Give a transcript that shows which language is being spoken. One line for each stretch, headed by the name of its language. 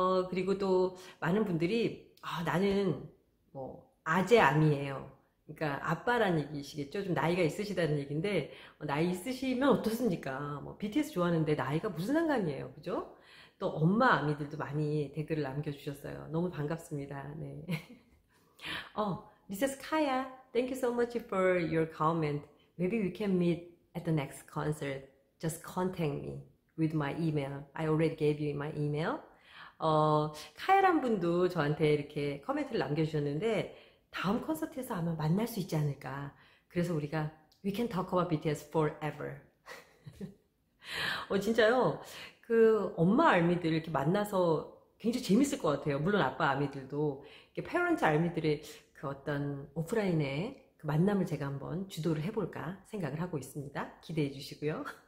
Korean: 그리고 또 많은 분들이, 나는 뭐, 아재암이에요. 그러니까 아빠라는 얘기시겠죠? 좀 나이가 있으시다는 얘기인데, 나이 있으시면 어떻습니까? 뭐, BTS 좋아하는데 나이가 무슨 상관이에요? 그죠? 또 엄마 아미들도 많이 댓글을 남겨주셨어요. 너무 반갑습니다. 네.
English: Mrs. Kaya, thank you so much for your comment. Maybe we can meet at the next concert. Just contact me with my email. I already gave you my email.
Korean: 카야란 분도 저한테 이렇게 코멘트를 남겨주셨는데 다음 콘서트에서 아마 만날 수 있지 않을까. 그래서 우리가
English: we can talk about BTS forever.
Korean: 진짜요. 그 엄마 아미들 이렇게 만나서 굉장히 재밌을 것 같아요. 물론 아빠 아미들도 이렇게 페런트 아미들의 그 어떤 오프라인의 그 만남을 제가 한번 주도를 해볼까 생각을 하고 있습니다. 기대해 주시고요.